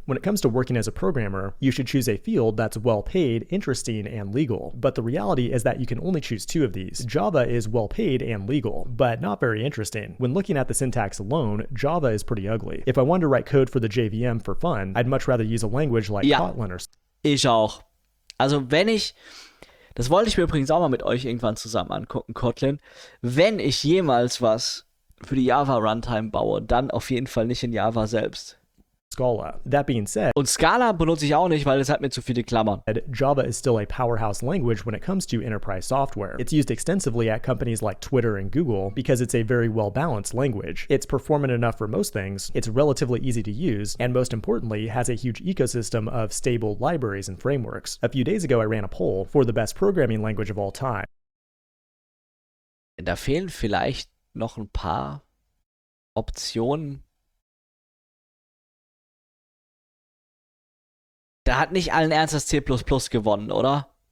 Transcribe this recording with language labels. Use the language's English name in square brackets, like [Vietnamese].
[English] When it comes to working as a programmer, you should choose a field that's well-paid, interesting, and legal. But the reality is that you can only choose two of these. Java is well-paid and legal, but not very interesting. When looking at the syntax alone, Java is pretty ugly. If I wanted to write code for the JVM for fun, I'd much rather use a language like Kotlin or... [German] Ich auch. Also wenn ich, das wollte ich mir übrigens auch mal mit euch irgendwann zusammen angucken, Kotlin, wenn ich jemals was für die Java Runtime baue, dann auf jeden Fall nicht in Java selbst. [English] Scala. That being said, [German] und Scala benutze ich auch nicht, weil es hat mir zu viele Klammern. [English] Java is still a powerhouse language when it comes to enterprise software. It's used extensively at companies like Twitter and Google because it's a very well-balanced language. It's performant enough for most things, it's relatively easy to use, and most importantly, has a huge ecosystem of stable libraries and frameworks. A few days ago, I ran a poll for the best programming language of all time. [German] Da fehlen vielleicht noch ein paar Optionen. Da hat nicht allen Ernstes C++ gewonnen, oder?